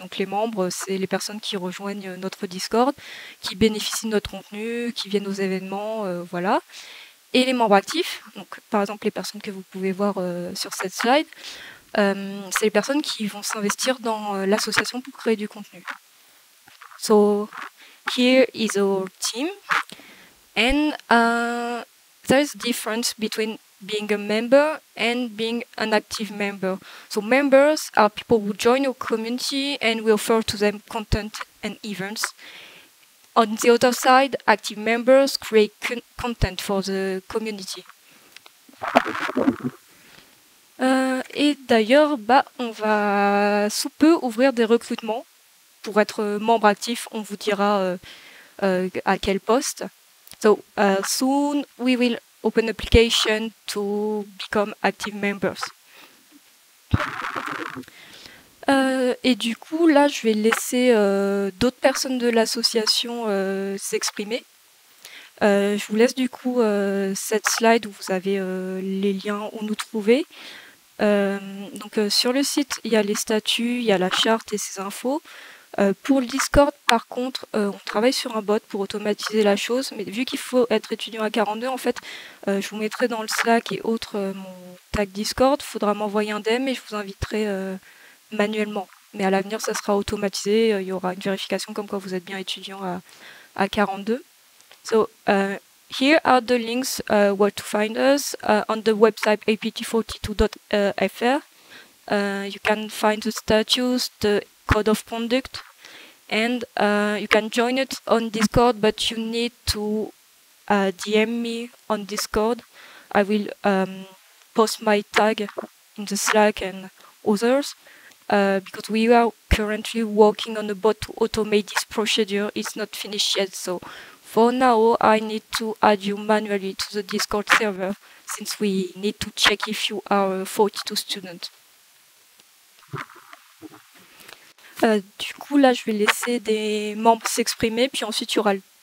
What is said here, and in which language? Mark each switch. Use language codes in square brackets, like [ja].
[fr] Donc les membres, c'est les personnes qui rejoignent notre Discord, qui bénéficient de notre contenu, qui viennent aux événements, voilà. Et les membres actifs, donc par exemple les personnes que vous pouvez voir sur cette slide, c'est les personnes qui vont s'investir dans l'association pour créer du contenu. [en] So, here is our team. And there is a difference between being a member and being an active member. So members are people who join our community and we offer to them content and events. On the other side, active members create content for the community. [fr] Et d'ailleurs, on va sous peu ouvrir des recrutements. Pour être membre actif, on vous dira à quel poste. [en] So, soon we will open application to become active members. [fr] Et du coup, là, je vais laisser d'autres personnes de l'association s'exprimer. Je vous laisse du coup cette slide où vous avez les liens où nous trouver. Sur le site, il y a les statuts, il y a la charte et ces infos. Pour le Discord, par contre, on travaille sur un bot pour automatiser la chose. Mais vu qu'il faut être étudiant à 42, en fait, je vous mettrai dans le Slack et autres mon tag Discord. Il faudra m'envoyer un DM et je vous inviterai manuellement. Mais à l'avenir, ça sera automatisé. Il y aura une vérification comme quoi vous êtes bien étudiant à 42. [en] So, here are the links where to find us on the website apt42.fr. You can find the statues, the code of conduct, and you can join it on Discord, but you need to DM me on Discord. I will post my tag in the Slack and others, because we are currently working on a bot to automate this procedure. It's not finished yet, so for now I need to add you manually to the Discord server, since we need to check if you are a 42 student. [fr] Du coup, là, je vais laisser des membres s'exprimer, puis ensuite, il y aura le...